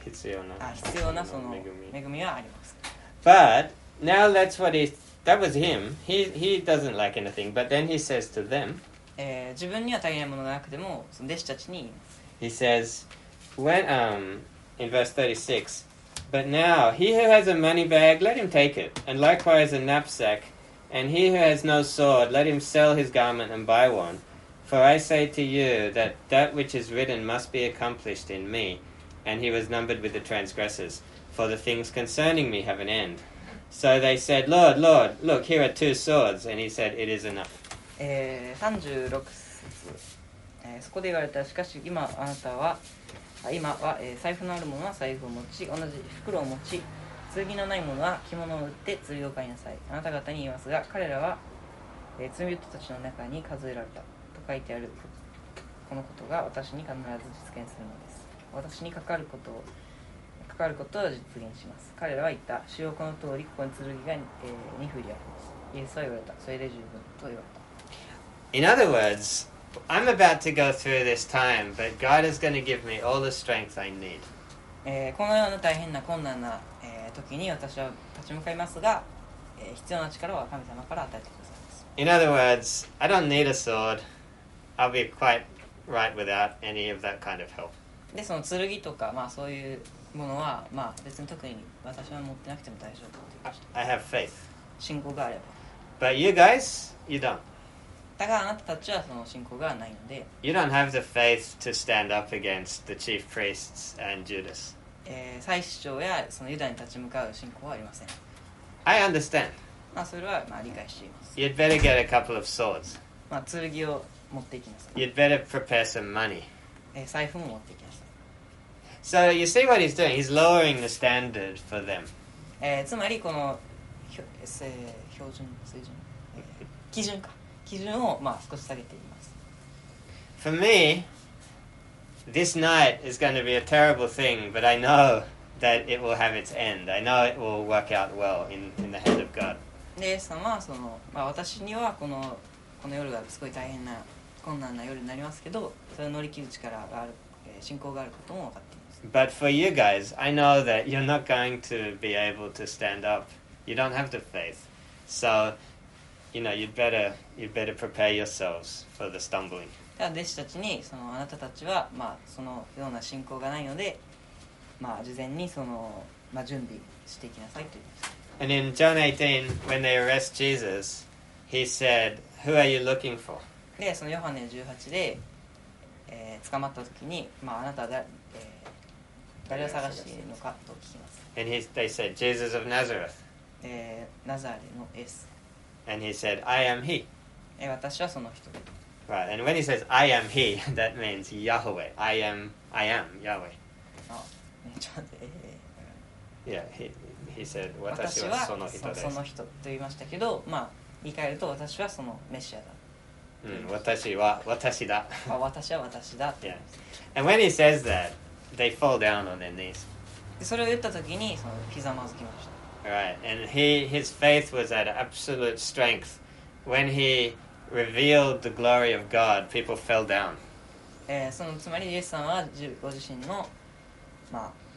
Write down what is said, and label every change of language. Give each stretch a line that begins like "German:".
Japanese: 必要なその恵みはあります。
English: But now that's what he, that was him. He doesn't lack anything. But then he says to them,
Japanese: 自分には足りないものがなくても、その弟子たちに、
English: He says, when, in verse 36, but now he who has a money bag, let him take it, and likewise a knapsack, and he who has no sword, let him sell his garment and buy one. For I say to you that that which is written must be accomplished in me. And he was numbered with the transgressors, for the things concerning me have an end. So they said, Lord, Lord, look, here are two swords. And he said, it is enough.
Japanese: 36節、そこで言われた、しかし今あなたは、今は、財布のある者は財布を持ち、同じ袋を持ち、剣のない者は着物を売って剣を買いなさい。あなた方に言いますが、彼らは、罪人たちの中に数えられた。書いてあるこのことが私に必ず実現するのです。私にかかることを実現します。彼らは言った、主よ、この通りここに剣が2振りあります。イエスは言われた、それで十分と言われた。
English: In other words, I'm about to go through this time, but God is going to give me all the strength I need.
Japanese: このような大変な困難な、時に私は立ち向かいますが、必要な力は神様から与えてください。
English: In other words, I don't need a swordI'll be quite right without any of that kind of help.
Japanese: で、その剣とか、まあそういうものは、まあ別に特に私は持ってなくても大丈夫。
English: I have faith.
Japanese: 信仰があれば。
English: But you guys, you don't.
Japanese: だからあなたたちはその信仰がないので。
English: You don't have the faith to stand up against the chief priests and Judas.
Japanese: 祭司長やそのユダに立ち向かう信仰はありません。
English: I understand.
Japanese: まあそれはまあ理解しています。
English: You'd better get a couple of swords.
Japanese: まあ剣を
English: You'd better prepare some money.
Japanese: 財布も持ってきなさい。
English: So you see what he's doing. He's lowering the standard for them.
Japanese: つまりこの標準水準、基準か、基準をまあ少し下げています。
English: For me, this night is going to be a terrible thing, but I know that it will have its end. I know it will work out well in the hand of God.
Japanese: で、そのまあ私にはこの夜がすごい大変な困難な夜になりますけど、それを乗り切る力がある、信仰があることも分かっています。
English: But for you guys, I know that you're not going to be able to stand up. You don't have the faith. So, you know, you'd better prepare yourselves for the stumbling.
Japanese: では弟子たちに、そのあなたたちは、まあ、そのような信仰がないので、まあ、事前にその、まあ、準備していきなさいと言います。
English: And in John 18, when they arrest Jesus, he said,Who are you looking for?
Japanese: で、そのヨハネ18で、捕まった時に、まあ、あなたは、誰を探しているのかと聞きます。
English: And he, they said, Jesus of Nazareth.
Japanese: ナザレのイエス。
English: And he said, I am he.
Japanese: 私はその人。
English: Right, and when he says, I am he, that means Yahweh. I am Yahweh.
Japanese: ちょっと、
English: Yeah, he said,
Japanese: 私はその人です。その人と言いましたけど、まあ、言い換えると私はそのメシアだ。私は私だ。私は私だ。
English: Yeah. And when he says that, they fall down on their knees.
Japanese: それを言った時にそのひざまずきました。
English: Right. And his faith was at absolute strength. When he revealed the glory of God, people fell down.
Japanese: そのつまりイエスさんはご自身のまあ